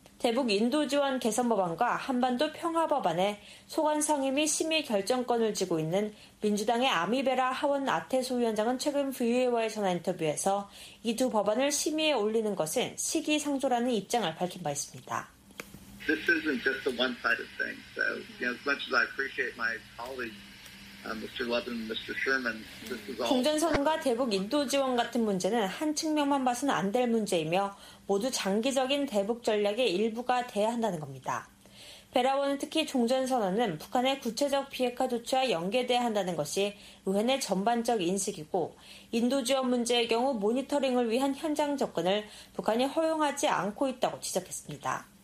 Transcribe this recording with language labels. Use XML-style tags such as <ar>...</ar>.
<ko>대북 인도지원 개선법안과 한반도 평화법안에 소관상임위 심의 결정권을 쥐고 있는 민주당의 아미베라 하원 아태소 위원장은 최근 VOA와의 전화 인터뷰에서 이 두 법안을 심의에 올리는 것은 시기상조라는 입장을 밝힌 바 있습니다.</ko> <en>This isn't just the one side of things. So, you know, as much as I appreciate my colleagues, Mr. Levin, Mr. Sherman, this is all...</en> <ko>종전선언과 대북 인도지원 같은 문제는 한 측면만 봐서는 안 될 문제이며 모두 장기적인 대북 전략의 일부가 돼야 한다는 겁니다. 베라원은 특히 종전선언은 북한의 구체적 비핵화 조치와 연계돼야 한다는 것이 의회 내 전반적 인식이고 인도지원 문제의 경우 모니터링을 위한 현장 접근을 북한이 허용하지 않고 있다고 지적했습니다.</ko>